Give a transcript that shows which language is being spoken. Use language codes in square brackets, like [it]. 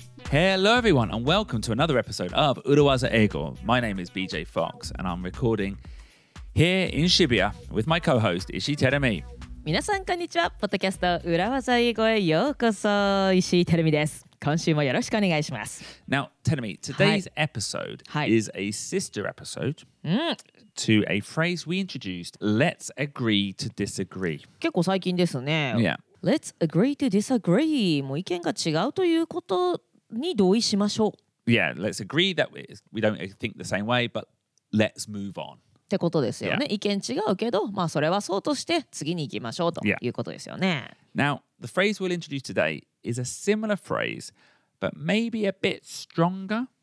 [en] Hello everyone and welcome to another episode of Uruwaza Eigo. My name is BJ Fox and I'm recording here in Shibuya with my co-host Ishii Terumi. [ja] 皆さんこんにちは。ポッドキャスト Uruwaza Eigo へようこそ。 Ishii Terumi です。今週もよろしくお願いします。 [en] Now, Terumi, today's episode is a sister episode to a phrase we introduced, let's agree to disagree. [ja] 結構最近ですね。 [en] Yeah. Let's agree to disagree. [ja] もう意見が違うということに同意しましょう。 [en] Yeah, let's agree that we don't think the same way, but let's move on. [ja] ってことですよね。 [en] Yeah. [ja] 意見違うけど、まあそれはそうとして次に行きましょうということですよね。 [en] Yeah. Now, the phrase we'll introduce today is a similar phrase, but maybe a bit stronger.